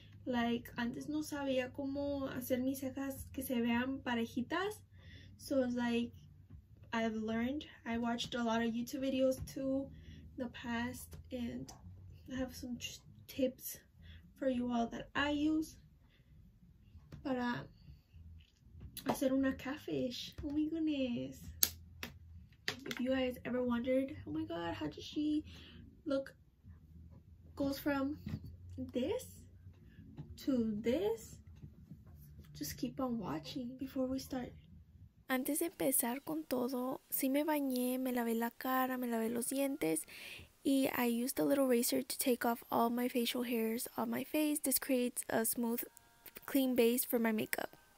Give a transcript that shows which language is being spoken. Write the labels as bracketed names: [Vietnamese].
[Spanish] Like, antes no sabía cómo hacer mis cejas que se vean parejitas. [English] So it's like, I've learned. I watched a lot of YouTube videos too in the past, and I have some tips for you all that I use [Spanish] para hacer una catfish. [English] Oh my goodness. If you guys ever wondered, oh my god, how does she look, goes from this to this, just keep on watching before we start. [Spanish] Antes de empezar con todo, sí me bañé, me lavé la cara, me lavé los dientes. [English] Y I used a little razor to take off all my facial hairs on my face. This creates a smooth, clean base for my makeup.